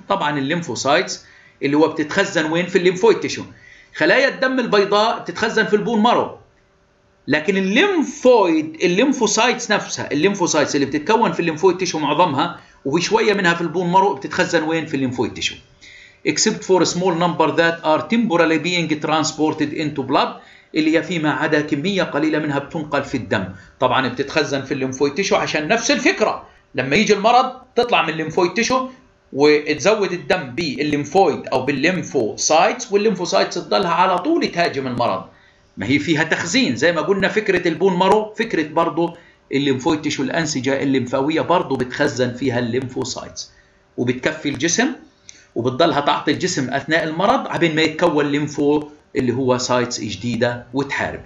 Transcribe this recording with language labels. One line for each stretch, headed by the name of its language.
Arabic: طبعا الليمفوسايتس اللي هو بتتخزن وين؟ في الليمفويد تيشو. خلايا الدم البيضاء تتخزن في البون مارو، لكن الليمفويد الليمفوسايتس نفسها، الليمفوسايتس اللي بتتكون في الليمفويد تيشو معظمها وفي شويه منها في البون مارو بتتخزن وين؟ في الليمفويد تيشو.
English: except for a small number that are temporarily being transported into blood،
Arabic: اللي هي فيما عدا كميه قليله منها بتنقل في الدم. طبعا بتتخزن في الليمفويد تيشو عشان نفس الفكره، لما يجي المرض تطلع من الليمفويد تيشو وتزود الدم بالليمفويد او بالليمفوسايتس، والليمفوسايتس تضلها على طول تهاجم المرض، ما هي فيها تخزين زي ما قلنا. فكره البون مارو فكره برضه الليمفويد تيشو، الانسجه الليمفاويه برضه بتخزن فيها الليمفوسايتس وبتكفي الجسم وبتضلها تعطي الجسم اثناء المرض عبين ما يتكون ليمفو اللي هو سايتس جديده وتحارب.